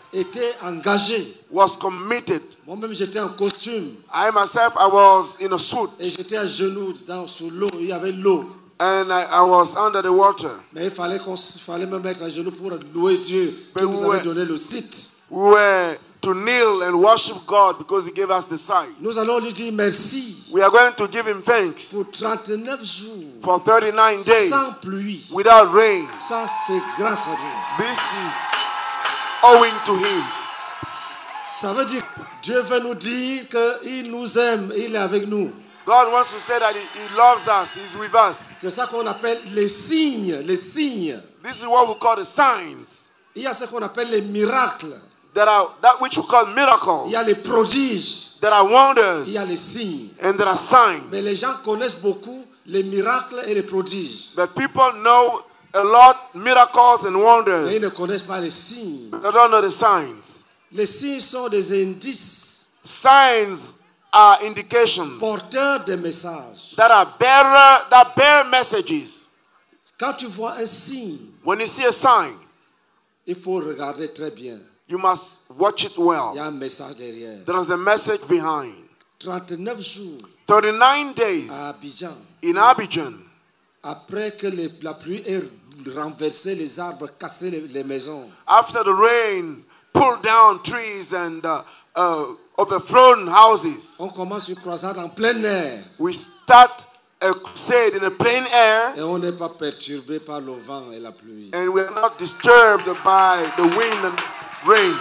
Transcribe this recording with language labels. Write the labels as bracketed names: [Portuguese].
[French] était engagé. [English] Was committed. [French] Moi-même, j'étais en costume. [English] I myself, I was in a suit. [French] Et j'étais à genoux dans sous l'eau. Il y avait l'eau. [English] And I was under the water. [French] Mais il fallait me mettre à genoux pour louer Dieu qui nous avait donné le site. [English] We were to kneel and worship God because he gave us the sight. [French] Nous allons lui dire merci. [English] We are going to give him thanks. [French] Pour 39 jours. [English] For 39 days. [French] Sans pluie. [English] Without rain. [French] Ça, c'est grâce à Dieu. [English] This is owing to him. [French] Ça veut dire Dieu veut nous dire que il nous aime, il est avec nous. [English] God wants to say that he loves us, he's with us. [French] C'est ça qu'on appelle les signes, les signes. [English] This is what we call the signs. [French] Il y a ce qu'on appelle les miracles. [English] There are that which we call miracles. [French] Il y a les prodiges. [English] There are wonders. [French] Il y a les signes. [English] And there are signs. [French] Mais les gens connaissent beaucoup les miracles et les prodiges. [English] But people know a lot miracles and wonders. [French] Mais ils ne connaissent pas les signes. [English] They don't know the signs. [French] Les signes sont des indices. [English] Signs are indications. [French] Porteurs de messages. [English] That are bearer, that bear messages. [French] Quand tu vois un signe. [English] When you see a sign. [French] Il faut regarder très bien. [English] You must watch it well. [French] Il y a un message derrière. [English] There is a message behind. [French] 39 jours. [English] 39 days. [French] À Abidjan. [English] In Abidjan. [French] Après que la pluie ait renversé les arbres, cassé les maisons. [English] After the rain pulled down trees and overthrown houses. [French] On commence une croisade en plein air. [English] We start Exhale in the plain air. [French] Et on n'est pas perturbé par le vent et la pluie. [English] And we are not disturbed by the wind and rain.